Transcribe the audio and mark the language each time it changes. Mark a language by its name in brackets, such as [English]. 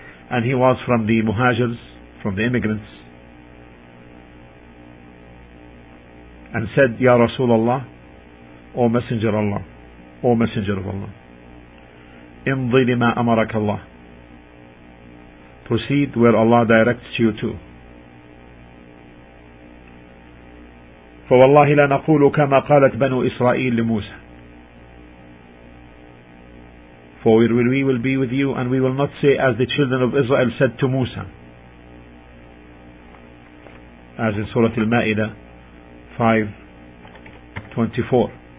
[English] and he was from the Muhajirs, from the immigrants, and said, Ya Rasulullah, O Messenger of Allah, O Messenger of Allah, [Arabic] امضي لما أمرك الله, [English] proceed where Allah directs you to. [Arabic] فوالله لا نقول كما قالت بنو إسرائيل لموسى. [English] For we will be with you, and we will not say as the children of Israel said to Musa, as in Surah Al-Ma'idah 5:24.